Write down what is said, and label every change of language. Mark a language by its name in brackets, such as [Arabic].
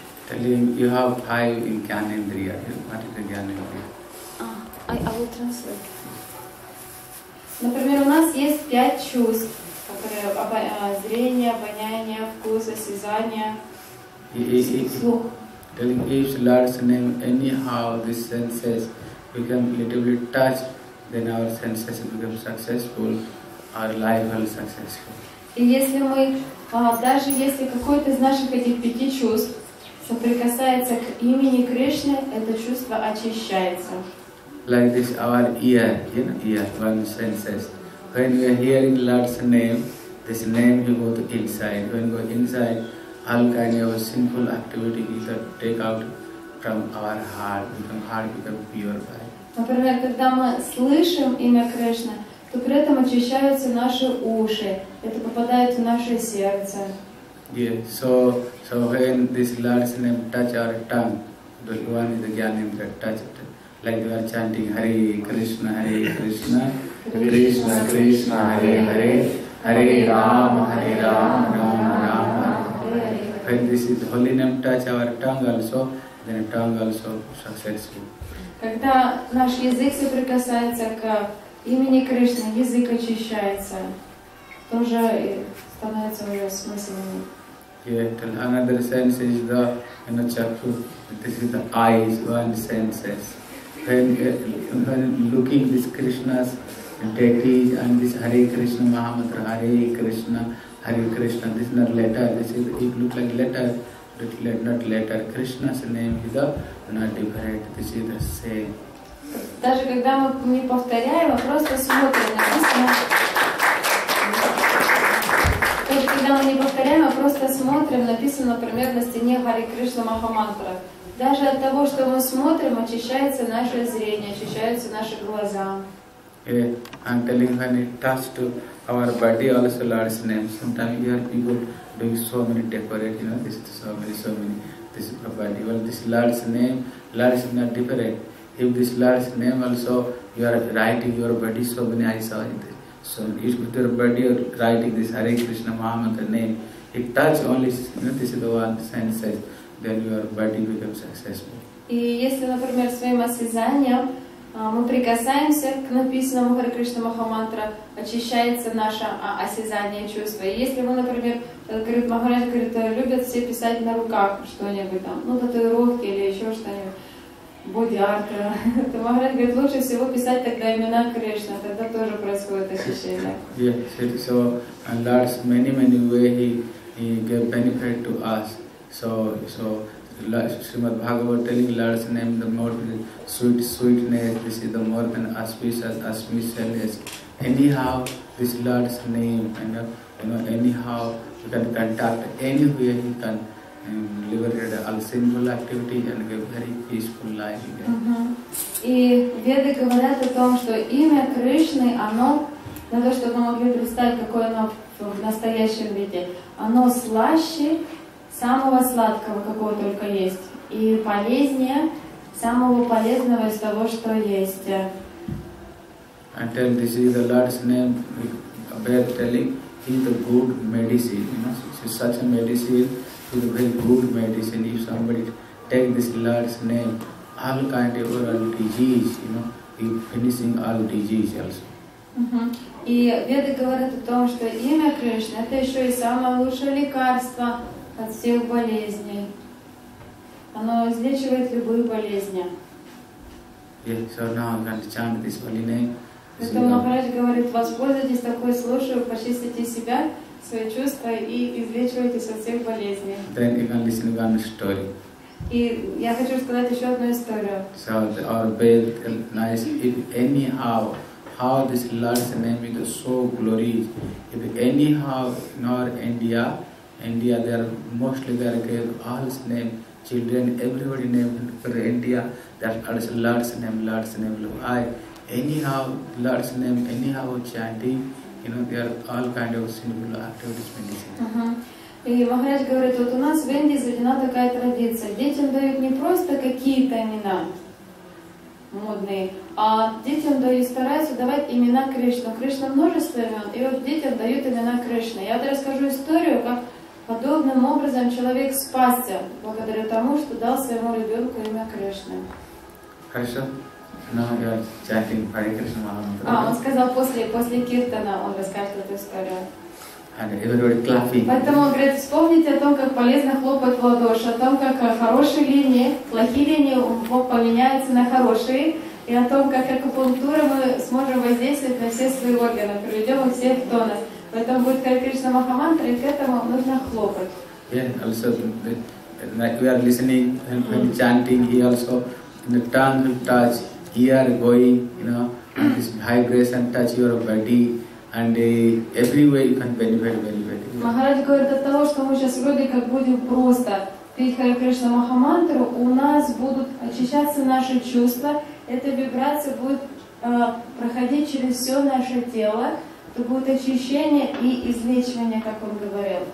[English] Telling you have five in Gyanendriya. What is the Gyanendriya? I will translate. [Russian] Например, у нас есть пять чувств, которые зрение, обоняние, вкус, осязание, слух. [English] Telling each Lord's name, anyhow the senses become little bit touched, then our senses become successful, our life will be successful. [Russian] И если мы, даже если какой-то из наших этих пяти чувств соприкасается к имени Кришны, это чувство очищается. [English] Like this, our ear, you know, ear, one senses. When we are hearing Lord's name, this name will go to inside. When we go inside, all kind of sinful activity is take out from our heart, become heart become purified. [Russian] Например, когда мы слышим имя Кришны, то при этом очищаются наши уши, это попадает в наше сердце. [English] Yeah, so when this Lord's name touch our tongue, the one is the Gyanendra touch it. Like we are chanting Hare Krishna, Hare Krishna, Krishna Krishna, Hare Hare, Hare Rama, Hare Rama, Rama Rama. When this is the holy name touch our tongue also, then tongue also successful. [Russian] Когда наш язык соприкасается к имени Кришны, язык очищается, тоже становится у него смыслом. [English] Yeah, another sense is the, you know, chakshu, this is the eyes, one senses. When looking this Krishna's deities and this Hare Krishna Mahamantra, Hare Krishna, this is not letter, this is, it looks like letter. Not later. Krishna's name is the not different. This is the same. [Russian] Даже когда мы не повторяем, а просто смотрим на Кришну. Даже когда мы не повторяем, а просто смотрим, написано, например, на стене Хари Кришна Махамантра. Даже от того, что мы смотрим, очищается наше зрение, очищаются наши глаза. [English] Yeah, I'm telling when it touch to our body also Lord's name. Sometimes you are people doing so many decorate, you know, this is so many. This is the body. Well, this Lord's name, Lord is not different. If this Lord's name also you are writing your body, so many eyes are in this. So if your body you are writing this Hare Krishna Mahamantra name, it touch only, you know, this is the one sense says, then your body becomes successful. [Russian] И если, например, своим осязанием мы прикасаемся к написанному Харе Кришна Махамантра, очищается наше осязание, чувство. И если мы, например, говорит, Махарадж говорит, любят все писать на руках что-нибудь там, ну, татуировки или еще что-нибудь, боди-арт, то Махарадж говорит, лучше всего писать тогда имена Кришны, тогда тоже происходит очищение. [English] Yeah, so, and Lord's many ways he gave benefit to us. So, Srimad Bhagavad telling Lord's name the more sweetness, this is the more than auspiciousness. Anyhow, this Lord's name, and anyhow, you can contact anywhere, you can liberate all sinful activities and give very peaceful life again. Mm-hmm. [Russian] И Веды говорят о том, что имя Кришны, оно, на то, чтобы мы могли представить, какое оно в настоящем виде, оно слаще самого сладкого, какого только есть, и полезнее самого полезного из того, что есть. [English] Until this is the Lord's name, bear telling, he's a good medicine. You know, he's such a medicine, he's a very good medicine. If somebody take this Lord's name, all kind of all disease, you know, he's finishing all disease also. [Russian] И Веды говорят о том, что имя Кришны это еще и самое лучшее лекарство от всех болезней. Оно излечивает любые болезни. [English] Yeah, so now I'm going to chant this holy name. [Russian] Поэтому Махарадж говорит, воспользуйтесь такой случаем, почистите себя, свои чувства и излечивайтесь от всех болезней. [English] Then you can listen to one story. [Russian] И я хочу сказать еще одну историю. [English] So our bed nice, if anyhow, how this Lord's name is so glorious, if anyhow in our India, they are mostly they are gave all his name, children, everybody named for India. That is Lord's name, Lord's name. Anyhow, Lord's name, anyhow chanting, you know, there are all kind of sinful activities medicine. [Russian] И Махарадж говорит, вот у нас в Индии заведена такая традиция. Детям дают не просто какие-то имена модные, а детям дают, стараются давать имена Кришны. Кришна множество имен, и вот детям дают имена Кришны. Я вот расскажу историю, как подобным образом человек спасся, благодаря тому, что дал своему ребенку имя Кришны. Хорошо. [English] Now you are chanting Hare Krishna Mahamantra. [Russian] Он сказал, после киртана он расскажет эту историю. [English] And everybody clapping. [Russian] Поэтому он говорит, вспомните о том, как полезно хлопать в ладоши, о том, как хорошие линии, плохие линии поменяются на хорошие, и о том, как акупунктура мы сможем воздействовать на все свои органы, приведем их всех в тонус. Поэтому будет Hare Krishna Mahamantra, и к этому нужно хлопать. [English] Yeah, also, like we are listening and chanting, he also, the tongue touch, ear going, you know, this vibration touch your body, and every way you can benefit, benefit. [Russian] Maharaj говорит о том, что мы сейчас вроде как будем просто петь Hare Krishna Mahamantra, у нас будут очищаться наши чувства, эта вибрация будет проходить через все наше тело, то будет очищение и излечивание, как он говорил.